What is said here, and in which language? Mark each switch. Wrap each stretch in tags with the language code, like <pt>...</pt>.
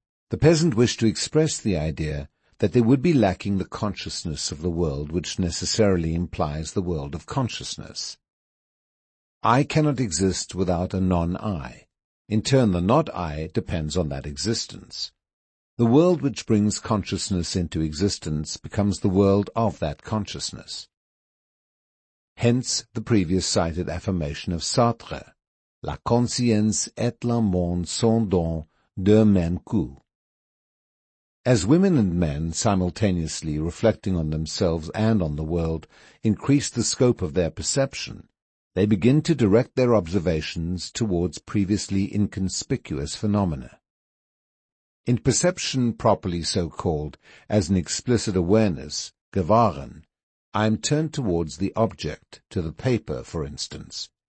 <en>The peasant wished to express the idea that they would be lacking the consciousness of the world, which necessarily implies the world of consciousness. "I cannot exist without a non-I. In turn, the not-I depends on that existence. The world which brings consciousness into existence becomes the world of that consciousness." Hence the previous cited affirmation of Sartre,</en> <fr>"La conscience et le monde sont donc de même coup."</fr> <en>As women and men, simultaneously reflecting on themselves and on the world, increase the scope of their perception, they begin to direct their observations towards previously inconspicuous phenomena. In perception properly so called, as an explicit awareness, gewahren, I am turned towards the object, to the paper, for instance.</en>